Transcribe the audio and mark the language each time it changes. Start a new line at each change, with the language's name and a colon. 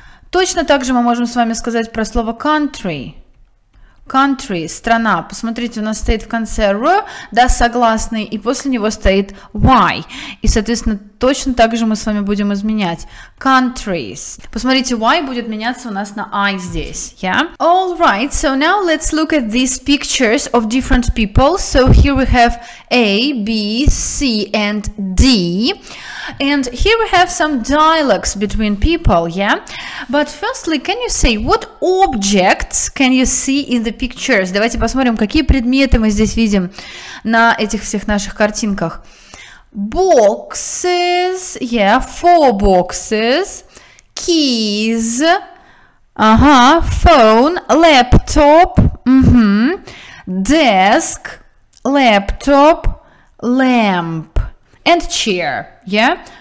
Russian: Точно так же мы можем с вами сказать про слово country. Country, страна. Посмотрите, у нас стоит в конце r, да, согласный, и после него стоит y. И, соответственно, точно так же мы с вами будем изменять.
English: Countries.
Russian: Посмотрите, y будет меняться у нас на i здесь.
English: Yeah? All right, so now let's look at these pictures of different people. So here we have A, B, C, and D. And here we have some dialogues between people, yeah? But firstly, can you say, what objects can you see in the pictures?
Russian: Давайте посмотрим, какие предметы мы здесь видим на этих всех наших картинках.
English: Boxes, yeah, four boxes, keys, phone, laptop, desk, laptop, lamp, and chair, yeah?